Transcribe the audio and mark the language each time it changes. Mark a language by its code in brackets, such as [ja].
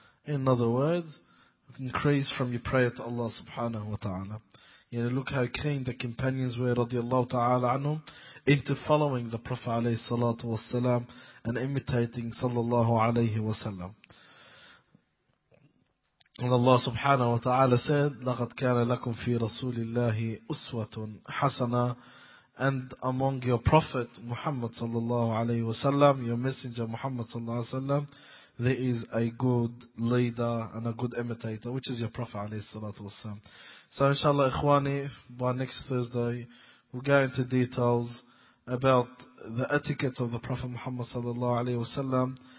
[en] In other words, increase from your prayer to Allah subhanahu wa ta'ala. You know, look how keen the companions were radiallahu ta'ala anhum into following the Prophet alayhi salatu wa sallam and imitating sallallahu alayhi wa sallam. And Allah subhanahu wa ta'ala said, [ar] لَقَدْ كَانَ لَكُمْ فِي رَسُولِ اللَّهِ أُسْوَةٌ حَسَنًا. [en] And among your Prophet Muhammad sallallahu alayhi wa sallam, your Messenger Muhammad sallallahu alayhi wa sallam, there is a good leader and a good imitator, which is your Prophet alayhi salatu wa sallam. So inshallah, ikhwani, by next Thursday, we'll go into details about the etiquette of the Prophet Muhammad sallallahu alayhi wa sallam.